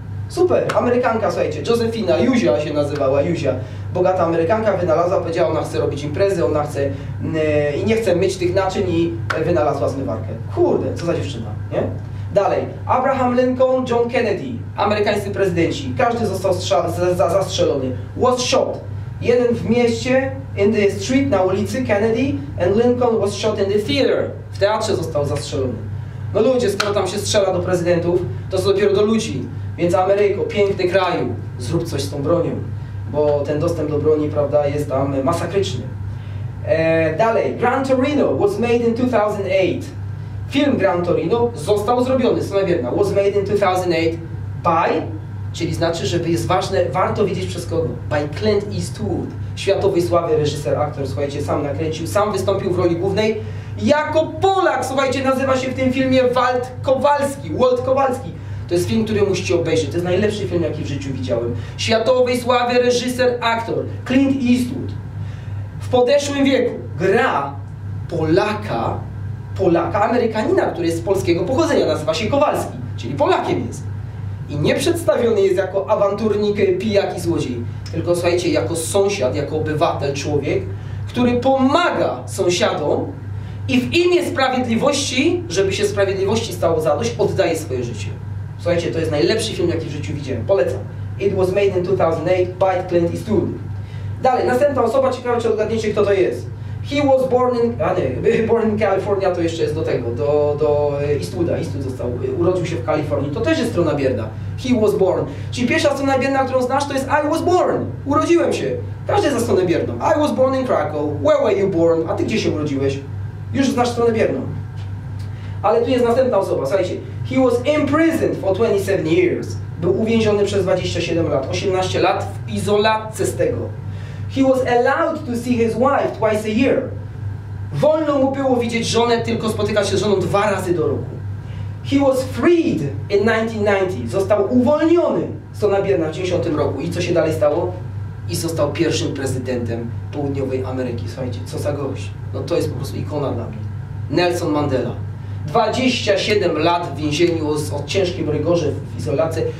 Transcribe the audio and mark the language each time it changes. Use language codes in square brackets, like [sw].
[pl] Super, Amerykanka, słuchajcie, Josefina, Juzia się nazywała, Juzia. Bogata Amerykanka wynalazła, powiedziała, ona chce robić imprezy, ona chce i nie chce myć tych naczyń i wynalazła zmywarkę. Kurde, co za dziewczyna, nie? Dalej, Abraham Lincoln, John Kennedy, amerykańscy prezydenci. Każdy został zastrzelony. [en] Was shot. [pl] Jeden w mieście, [en] in the street, [pl] na ulicy Kennedy, [en] and Lincoln was shot in the theater. [pl] W teatrze został zastrzelony. No ludzie, skoro tam się strzela do prezydentów, to co dopiero do ludzi. Więc Ameryko, piękny kraju, zrób coś z tą bronią, bo ten dostęp do broni, prawda, jest tam masakryczny. [en] Dalej, Gran Torino was made in 2008. [pl] Film Gran Torino został zrobiony, strona bierna. [en] Was made in 2008 by, [pl] czyli znaczy, żeby jest ważne, warto wiedzieć przez kogo. By Clint Eastwood, światowej sławy reżyser, aktor, słuchajcie, sam nakręcił, sam wystąpił w roli głównej. Jako Polak, słuchajcie, nazywa się w tym filmie Walt Kowalski. To jest film, który musicie obejrzeć. To jest najlepszy film, jaki w życiu widziałem. Światowej sławy reżyser, aktor Clint Eastwood. W podeszłym wieku gra Polaka, Amerykanina, który jest z polskiego pochodzenia. Nazywa się Kowalski, czyli Polakiem jest. I nie przedstawiony jest jako awanturnik, pijak i złodziej. Tylko słuchajcie, jako sąsiad, jako obywatel, człowiek, który pomaga sąsiadom i w imię sprawiedliwości, żeby się sprawiedliwości stało zadość, oddaje swoje życie. Słuchajcie, to jest najlepszy film, jaki w życiu widziałem. Polecam. [en] It was made in 2008 by Clint Eastwood. [pl] Dalej, następna osoba, ciekawa, czy odgadniecie, kto to jest. [en] He was born in... [pl] A nie, [en] born in California, [pl] to jeszcze jest do tego, do Eastwooda. Eastwood został, urodził się w Kalifornii. To też jest strona bierna. [en] He was born. [pl] Czyli pierwsza strona bierna, którą znasz, to jest [en] I was born. [pl] Urodziłem się. Każdy jest za stronę bierną. [en] I was born in Krakow. Where were you born? [pl] A ty gdzie się urodziłeś? Już znasz stronę bierną. Ale tu jest następna osoba, słuchajcie. [en] He was imprisoned for 27 years. [pl] Był uwięziony przez 27 lat. 18 lat w izolatce z tego. [en] He was allowed to see his wife twice a year. [pl] Wolno mu było widzieć żonę, tylko spotykać się z żoną dwa razy do roku. [en] He was freed in 1990. [pl] Został uwolniony z Stona Bierna w 90 roku. I co się dalej stało? I został pierwszym prezydentem Południowej Ameryki. Słuchajcie, co za gość. No to jest po prostu ikona dla mnie. Nelson Mandela. 27 lat w więzieniu o ciężkim rygorze w izolacji.